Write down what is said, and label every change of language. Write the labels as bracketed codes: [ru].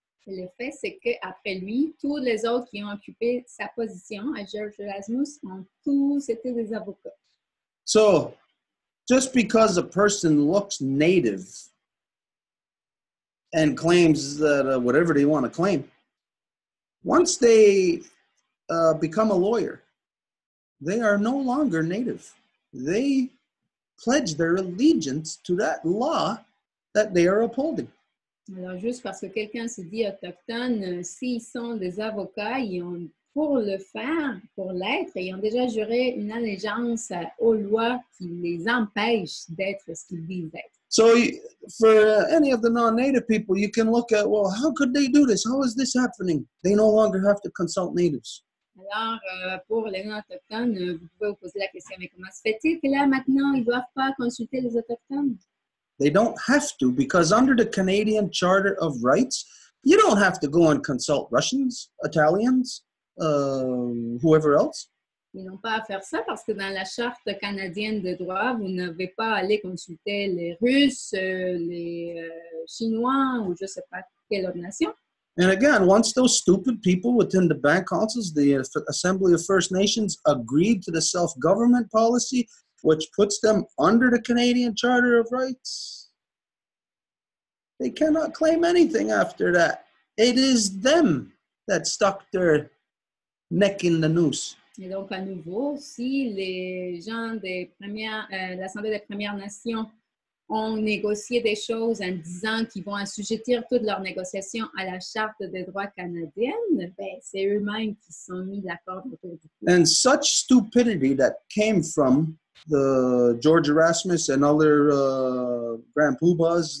[fr] Le fait, c'est qu'après lui, tous les autres qui ont occupé sa position à George Erasmus ont tous été des avocats. [en] So, just because a person looks native and claims that whatever they want to claim, once they become a lawyer, they are no longer native. They pledge their allegiance to that law that they are upholding. [fr] Alors, juste parce que quelqu'un se dit autochtone, s'ils sont des avocats, ils ont pour le faire, pour l'être, ils ont déjà juré une allégeance aux lois qui les empêchent d'être ce qu'ils disent être. [en] So, for any of the non-native people, you can look at, well, how could they do this? How is this happening? They no longer have to consult natives. [fr] Alors, pour les non-autochtones, vous pouvez vous poser la question, mais comment se fait-il que là, maintenant, ils ne doivent pas consulter les autochtones? [en] They don't have to, because under the Canadian Charter of Rights, you don't have to go and consult Russians, Italians, whoever else. [fr] Ils n'ont pas à faire ça parce que dans la Charte canadienne de droits, vous n'avez pas à aller consulter les Russes, les Chinois ou je ne sais pas quelle autre nation. [en] And again, once those stupid people within the bank councils, the Assembly of First Nations, agreed to the self-government policy, which puts them under the Canadian Charter of Rights, they cannot claim anything after that. It is them that stuck their neck in the noose. [fr] Et donc, à nouveau, si les gens de l'Assemblée des Premières Nations ont négocié des choses en disant qu'ils vont assujettir toutes leurs négociations à la Charte des droits canadiennes, ben, c'est eux-mêmes qui se sont mis d'accord autour du coup. [en] And such stupidity that came from the George Erasmus and other grand poobahs.